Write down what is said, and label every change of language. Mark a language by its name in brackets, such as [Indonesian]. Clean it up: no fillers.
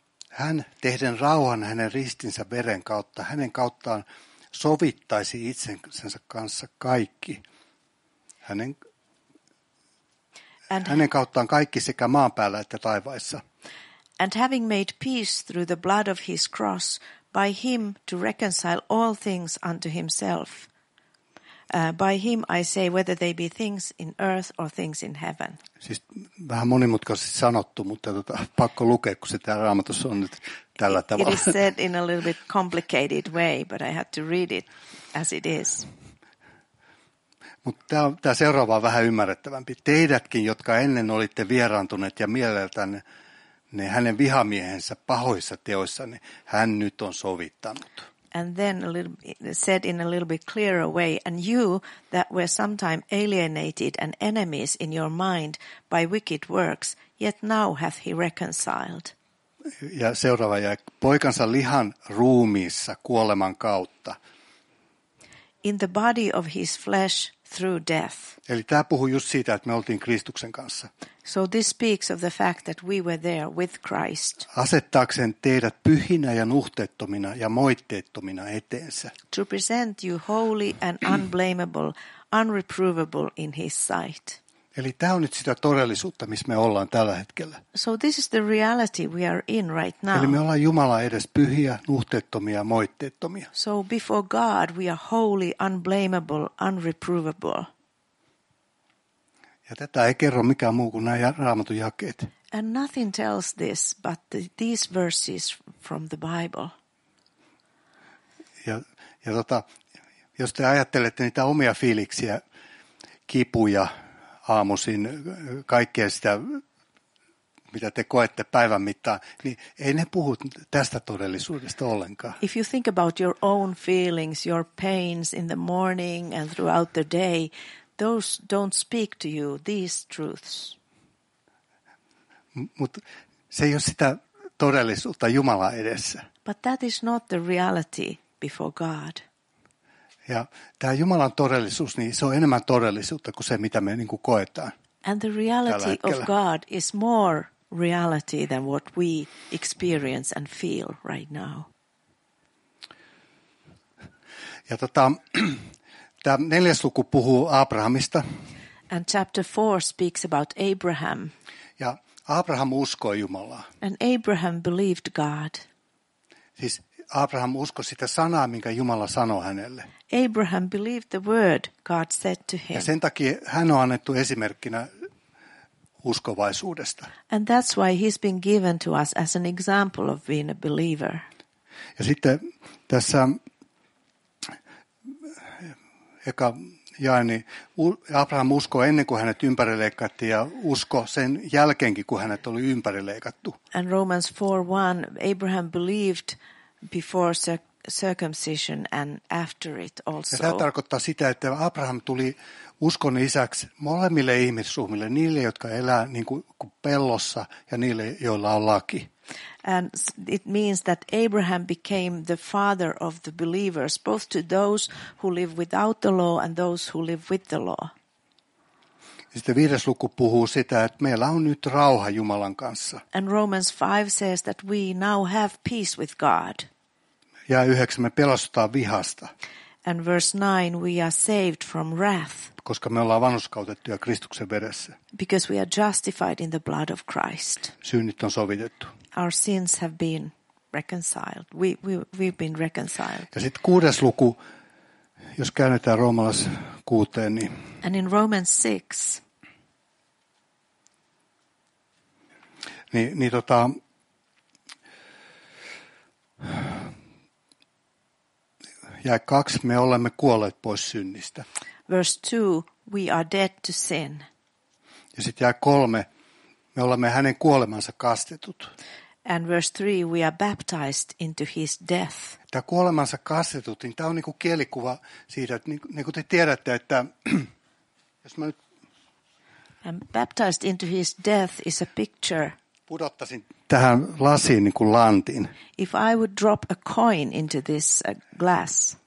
[Finnish] Hän tehden rauhan hänen ristinsä veren kautta, hänen kauttaan sovittaisi itsensä kanssa kaikki. Hänen kauttaan kaikki sekä maan päällä että taivaissa. [English] And having made peace through the blood of his cross, by him to reconcile all things unto himself. By him I say whether they be things in earth or things in heaven. [Finnish] Siis vähän monimutkaisesti sanottu, mutta pakko lukea, kun se tää Raamatussa on nyt tällä tavalla. [English] It is said in a little bit complicated way, but I had to read it as it is. [Finnish] Mutta tämä seuraava on vähän ymmärrettävämpi. Teidätkin, jotka ennen olitte vieraantuneet ja mieleltään ne hänen vihamiehensä pahoissa teoissa, niin hän nyt on sovittanut. [English] And then a little said in a little bit clearer way, and you that were sometime alienated and enemies in your mind by wicked works, yet now hath he reconciled. [Finnish] Ja seuraava jäi, poikansa lihan ruumiissa kuoleman kautta. [English] In the body of his flesh through death. [Finnish] Eli tämä puhuu just siitä, että me oltiin Kristuksen kanssa. [English] So this speaks of the fact that we were there with Christ. [Finnish] Asettaakseen teidät pyhinä ja nuhteettomina ja moitteettomina eteensä. [English] To present you holy and unblameable, unreprovable in his sight. [Finnish] Eli tämä on nyt sitä todellisuutta, missä me ollaan tällä hetkellä. [English] So this is the reality we are in right now. [Finnish] Eli me ollaan Jumala edes pyhiä, nuhteettomia ja moitteettomia. [English] So before God we are holy, unblameable, unreprovable. [Finnish] Ja tätä ei kerro mikään muu kuin nämä Raamatun jakeet. [English] And nothing tells this but these verses from the Bible. [Finnish] Ja jos te ajattelette niitä omia fiiliksiä, kipuja aamuisin, kaikkea sitä, mitä te koette päivän mittaan, niin ei ne puhu tästä todellisuudesta ollenkaan. [English] If you think about your own feelings, your pains in the morning and throughout the day, those don't speak to you, these truths. [Finnish] Mutta se ei ole sitä todellisuutta Jumala edessä. [English] But that is not the reality before God. [Finnish] Ja tämä Jumalan todellisuus, niin se on enemmän todellisuutta kuin se, mitä me niin kuin koetaan. [English] And the reality of God is more reality than what we experience and feel right now. [Finnish] Ja tämä neljäs luku puhuu Abrahamista. [English] And chapter 4 speaks about Abraham. [Finnish] Ja Abraham uskoi Jumalaa. [English] And Abraham believed God. [Finnish] Siis Abraham uskoi sitä sanaa, minkä Jumala sanoi hänelle. [English] Abraham believed the word God said to him. [Finnish] Ja sen takia hän on annettu esimerkkinä uskovaisuudesta. [English] And that's why he's been given to us as an example of being a believer. [Finnish] Ja sitten tässä eka jae, niin Abraham uskoi ennen kuin hänet ympärileikattiin ja usko sen jälkeenkin, kun hänet oli ympärileikattu. [English] And Romans 4:1, Abraham believed before circumcision and after it also. [Finnish] Ja tämä tarkoittaa sitä, että Abraham tuli uskon isäksi molemmille ihmissuhmille, niille, jotka elää niin kuin pellossa ja niille, joilla on laki. [English] And it means that Abraham became the father of the believers, both to those who live without the law and those who live with the law. [Finnish] Sitten viides luku puhuu sitä, että meillä on nyt rauha Jumalan kanssa. [English] And Romans 5 says that we now have peace with God. [Finnish] Ja 9 me pelastutaan vihasta. [English] And verse 9 we are saved from wrath. [Finnish] Koska me ollaan vanhurskautettuja Kristuksen veressä. [English] Because we are justified in the blood of Christ. [Finnish] Synnit on sovitettu. [English] Our sins have been reconciled. We've been reconciled. [Finnish] Ja sitten kuudes luku, jos käännetään roomalaiskuuteen, niin. [English] And in Romans 6. [Finnish] Niin, jae 2, me olemme kuolleet pois synnistä. [English] Verse 2, we are dead to sin. [Finnish] Ja sitten jae 3, me olemme hänen kuolemansa kastetut. [English] And verse 3, we are baptized into his death. [Finnish] Tämä kuolemansa kastetut, niin tämä on niinku kielikuva siitä, että niin kuin te tiedätte, että jos mä nyt. [English] And baptized into his death is a picture. [Finnish] Pudottaisin tähän lasiin niin kuin lantin. [English] If I would drop a coin into this glass.